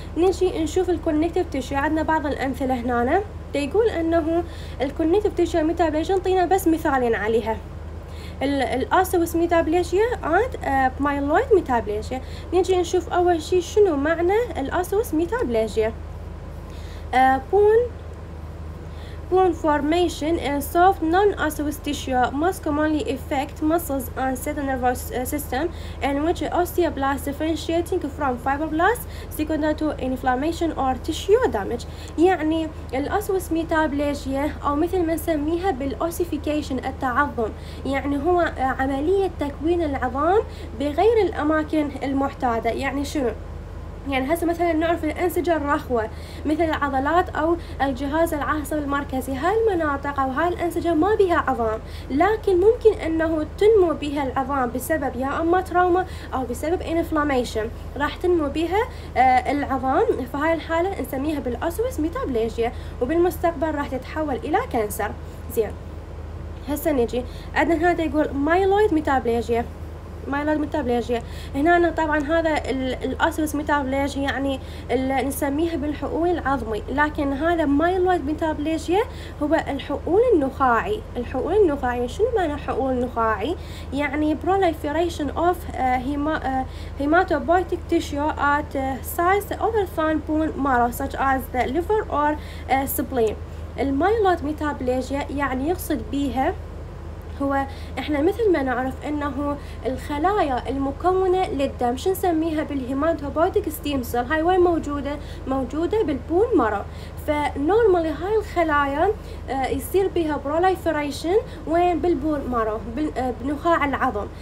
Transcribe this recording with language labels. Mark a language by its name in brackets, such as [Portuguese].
[Arabic] نجي نشوف الكونكتيف تيشو، عندنا بعض الامثله هنا تقول انه الكونكتيف تيشو ميتابليجيا. نعطينا بس مثالين عليها، الاسوس ميتابليجيا اند مايلويد ميتابليجيا. نجي نشوف اول شيء شنو معنى الاسوس ميتابليجيا. [English] Bone formation in soft non-osseous tissue most commonly affect muscles and central nervous system in which osteoblasts differentiating from fibroblasts secondary to inflammation or tissue damage. [Arabic] يعني الأسوس ميتابليجيا أو مثل ما نسميها بالأوسيفيكيشن التعظم، يعني هو عملية تكوين العظام بغير الأماكن المعتادة. يعني شنو؟ يعني هسه مثلا نعرف الانسجه الرخوه مثل العضلات او الجهاز العصبي المركزي، هاي المناطق او هاي الانسجه ما بها عظام، لكن ممكن انه تنمو بها العظام بسبب يا اما تروما او بسبب انفلاميشن راح تنمو بها العظام، فهاي الحاله نسميها بالاسوس ميتابليجيا وبالمستقبل راح تتحول الى كانسر. زين هسه نجي عندنا هذا يقول مايلويد ميتابليجيا. مايلويد ميتابليجيا هنا أنا طبعا هذا الاسوس ميتابليجيا يعني اللي نسميها بالحقول العظمي، لكن هذا مايلويد ميتابليجيا هو الحقول النخاعي. الحقول النخاعي شنو معنى حقول نخاعي؟ يعني [English] proliferation of hematopoietic tissue at size other than bone marrow such as the liver or spleen. [Arabic] المايلويد ميتابليجيا يعني يقصد بيها هو احنا مثل ما نعرف انه الخلايا المكونة للدم شو نسميها بالهيماتوبويتك ستيم سيل، هاي وين موجودة؟ موجودة بالبون مارو. فنورمالي هاي الخلايا يصير بها بروليفريشن وين؟ بالبون مارو، بنخاع العظم.